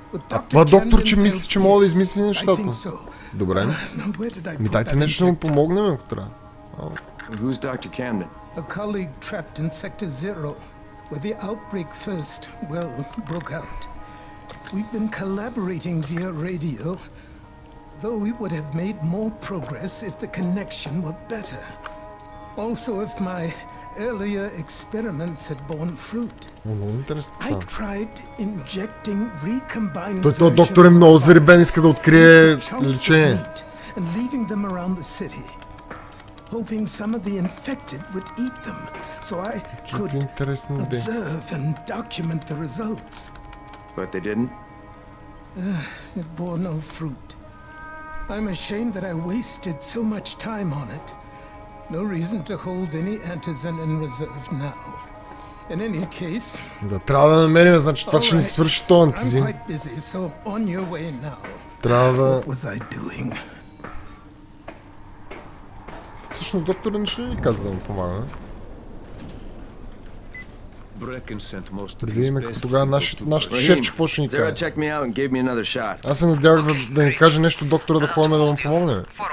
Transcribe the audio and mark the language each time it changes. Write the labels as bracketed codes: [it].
[bg] А това докторче мисли, че мога да измисли нещата. Добре. Ми дайте нещо да му помогнем, ако трябва. [en] We've been collaborating via radio, though we would have made more progress if the connection were better. Also, if my earlier experiments had borne fruit. I tried injecting recombined versions of Chelsea and leaving them around the city, hoping some of the infected would eat them, so I could observe and document the results. But they didn't. It bore no fruit. I'm ashamed that I wasted so much time on it. No reason to hold any antizen in reserve now. In any case. [bg] Да, трябва да намерим, значи това ще ни свърши то антизин. [en] I'm quite busy, so on your way now. [bg] Трябва. [en] What was I doing? [bg] Всъщност докторът нищо не ни каза да му помага. Да видим тогава нашето шефче, какво ще ни каже. Аз се надявах да ни каже нещо доктора да ходим да му помогнем.